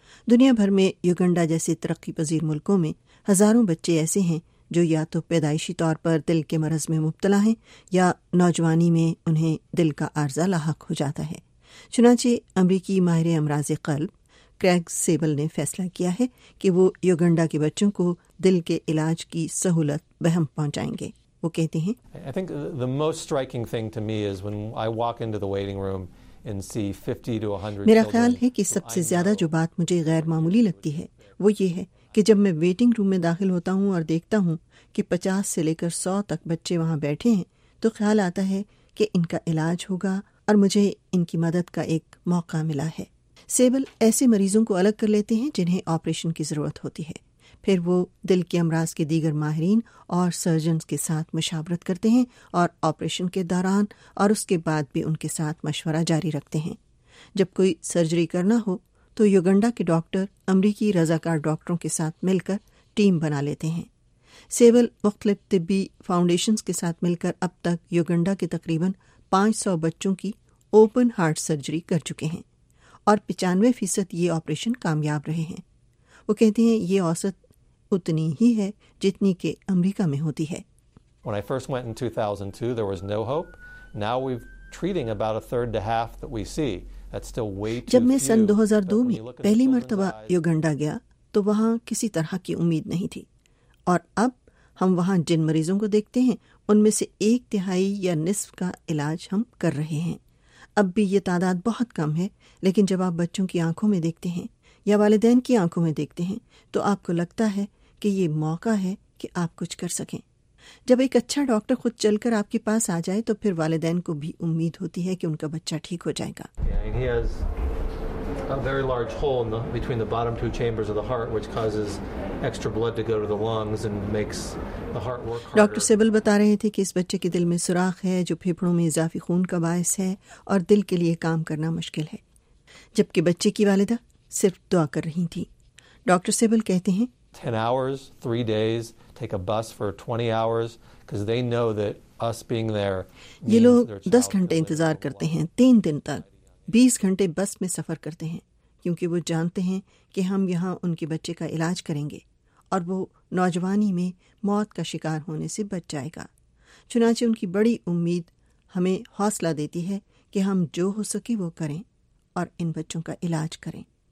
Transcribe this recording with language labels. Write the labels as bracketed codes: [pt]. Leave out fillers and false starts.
[ur] دنیا بھر میں یوگنڈا جیسے ترقی پذیر ملکوں میں ہزاروں بچے ایسے ہیں جو یا تو پیدائشی طور پر دل کے مرض میں مبتلا ہیں یا نوجوانی میں انہیں دل کا عارضہ لاحق ہو جاتا ہے. چنانچہ امریکی ماہر امراض قلب کریگ سیبل نے فیصلہ کیا ہے کہ وہ یوگنڈا کے بچوں کو دل کے علاج کی سہولت بہم پہنچائیں گے. وہ کہتے ہیں, [en] I think the most striking thing to me is when I walk into the waiting room and see 50 to 100 [ur] میرا خیال ہے کہ سب سے زیادہ جو بات مجھے غیر معمولی لگتی ہے وہ یہ ہے کہ جب میں ویٹنگ روم میں داخل ہوتا ہوں اور دیکھتا ہوں کہ 50 سے لے کر 100 تک بچے وہاں بیٹھے ہیں تو خیال آتا ہے کہ ان کا علاج ہوگا اور مجھے ان کی مدد کا ایک موقع ملا ہے. سیبل ایسے مریضوں کو الگ کر لیتے ہیں جنہیں آپریشن کی ضرورت ہوتی ہے, پھر وہ دل کے امراض کے دیگر ماہرین اور سرجنز کے ساتھ مشاورت کرتے ہیں اور آپریشن کے دوران اور اس کے بعد بھی ان کے ساتھ مشورہ جاری رکھتے ہیں. جب کوئی سرجری کرنا ہو تو یوگنڈا کے ڈاکٹر امریکی رضاکار ڈاکٹروں کے ساتھ مل کر ٹیم بنا لیتے ہیں. سیبل مختلف طبی فاؤنڈیشنز کے ساتھ مل کر اب تک یوگنڈا کے تقریباً 500 بچوں کی اوپن ہارٹ سرجری کر چکے ہیں اور 95% یہ آپریشن کامیاب رہے ہیں. وہ کہتے ہیں یہ اوسط اتنی ہی ہے جتنی کہ امریکہ میں ہوتی ہے. [en] When I first went in 2002, there was no hope. Now we're treating about a third to half that we see. That's still way too few. [ur] جب میں سن 2002 میں پہلی مرتبہ یوگنڈا گیا تو وہاں کسی طرح کی امید نہیں تھی, اور اب ہم وہاں جن مریضوں کو دیکھتے ہیں ان میں سے ایک تہائی یا نصف کا علاج ہم کر رہے ہیں. اب بھی یہ تعداد بہت کم ہے, لیکن جب آپ بچوں کی آنکھوں میں دیکھتے ہیں یا والدین کی آنکھوں میں دیکھتے ہیں تو آپ کو لگتا ہے کہ یہ موقع ہے کہ آپ کچھ کر سکیں. جب ایک اچھا ڈاکٹر خود چل کر آپ کے پاس آ جائے تو پھر والدین کو بھی امید ہوتی ہے کہ ان کا بچہ ٹھیک ہو جائے گا. [en] A very large hole in the between the bottom two chambers of the heart which causes extra blood to go to the lungs and makes the heart work harder. [ur] Doctor sable بتا رہے تھے کہ اس بچے کے دل میں سوراخ ہے جو پھیپھڑوں میں اضافی خون کا باعث ہے اور دل کے لیے کام کرنا مشکل ہے, جبکہ بچے کی والدہ صرف دعا کر رہی تھی. ڈاکٹر سیبل کہتے ہیں, [en] 10 hours 3 days take a bus for 20 hours because they know that us being there. [ur] یہ لوگ 10 گھنٹے انتظار کرتے ہیں 3 دن تک, 20 گھنٹے بس میں سفر کرتے ہیں کیونکہ وہ جانتے ہیں کہ ہم یہاں ان کے بچے کا علاج کریں گے اور وہ نوجوانی میں موت کا شکار ہونے سے بچ جائے گا. چنانچہ ان کی بڑی امید ہمیں حوصلہ دیتی ہے کہ ہم جو ہو سکے وہ کریں اور ان بچوں کا علاج کریں.